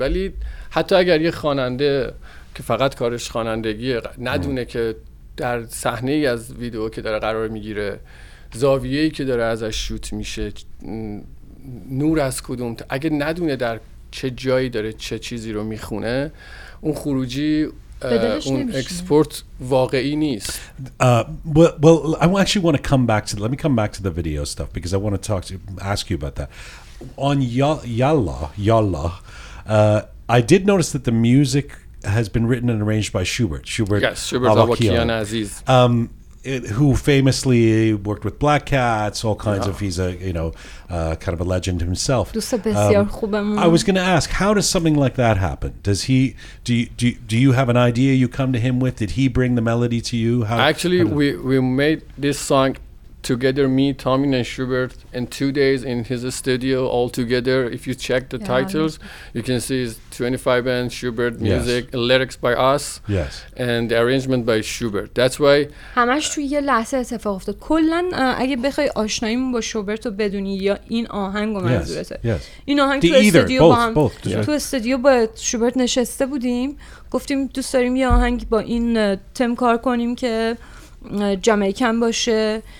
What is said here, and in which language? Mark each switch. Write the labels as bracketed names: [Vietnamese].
[Persian] ولی حتی اگر یه خواننده که فقط کارش خوانندگیه ندونه که در صحنه ای از ویدیو که داره قرار میگیره زاویه ای که داره ازش شوت میشه، نور از کدوم، اگه ندونه در چه جایی داره چه چیزی رو میخونه، اون خروجی اون اکسپورت واقعی نیست. [English] Well, I actually want to come back to let me come back to the video stuff because I want to talk to ask you about that. On Yalla, I did notice that the music has been written and arranged by Schubert. Yes, Schubert Avakian Aziz. Who famously worked with Black Cats, all kinds of. He's a kind of a legend himself. I was going to ask, how does something like that happen? Does he do you have an idea you come to him with? Did he bring the melody to you? We made this song together, me, Tomin, and Schubert, in 2 days in his studio all together. If you check the titles, you can see it's 25 Band, Schubert Music, lyrics by us, and the arrangement by Schubert. That's why. [Persian] همش توی یه لحظه اتفاق افتاد. کلن اگه بخوای آشناییمون با شوبرت رو بدونی یا این آهنگ رو منظورته. این آهنگ تو استودیو با شوبرت نشسته بودیم. گفتیم دوست داریم یه آهنگ با این تم کار کنیم که جامیکن باشه.